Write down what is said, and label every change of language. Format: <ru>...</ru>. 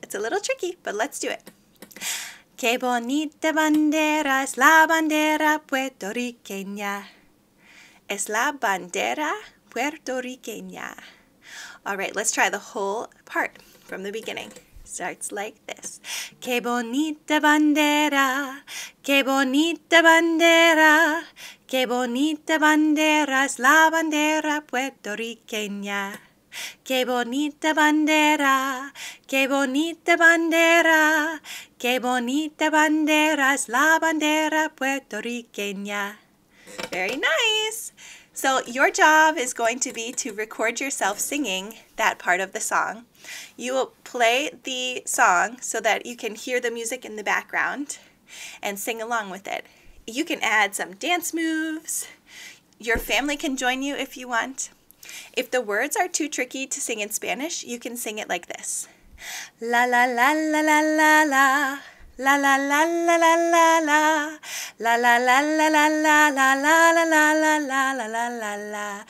<en>It's a little tricky, but let's do it.</en> <es>Qué bonita bandera es la bandera puertorriqueña. Es la bandera puertorriqueña.</es> <en>All right, let's try the whole part from the beginning. Starts like this.</en> <es>Qué bonita bandera, qué bonita bandera, qué bonita bandera es la bandera puertorriqueña. Qué bonita bandera, qué bonita bandera, qué bonita bandera es la bandera puertorriqueña.</es> <en>Very nice. So your job is going to be to record yourself singing that part of the song. You will play the song so that you can hear the music in the background and sing along with it. You can add some dance moves. Your family can join you if you want. If the words are too tricky to sing in Spanish, you can sing it like this. La la la la la la la. La la la la la la la la la la la la la la la la la la la la la la la.</en>